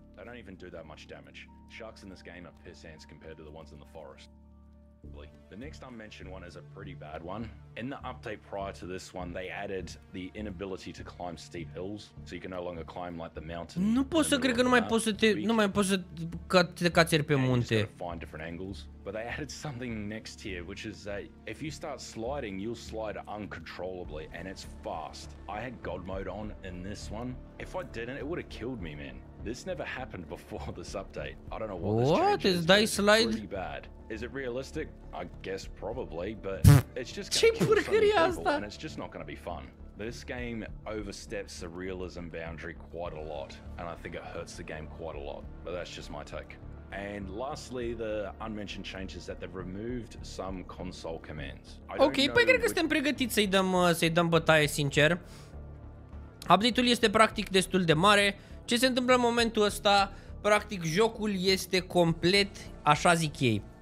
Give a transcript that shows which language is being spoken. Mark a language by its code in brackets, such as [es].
[en] Don't even do that much damage. Sharks in this game are piss ants compared to the ones in the forest. Probably. The next unmentioned one is a pretty bad one. In the update prior to this one, they added the inability to climb steep hills, so you can no longer climb like the mountain. [ro] Nu poți să cred că nu mai poți să te, nu mai poți să te cațeri pe munte. [en] Find different angles. But they added something next here, which is that if you start sliding, you'll slide uncontrollably and it's fast. I had God mode on in this one. If I didn't, it would have killed me, man. This never happened before this update. I don't know what this change is. What? Is that slide? Is it realistic? I guess probably, but it's just going to kill some people and it's just not going to be fun. This game oversteps the realism boundary quite a lot, and I think it hurts the game quite a lot, but that's just my take. And lastly, the unmentioned change is that they've removed some console commands. [ro] Ok, păi cred că suntem pregătiți să-i dăm, să-i dăm bătaie, sincer. Update-ul este practic destul de mare. Ce se întâmplă în momentul ăsta? Practic, jocul este complet, așa zic ei.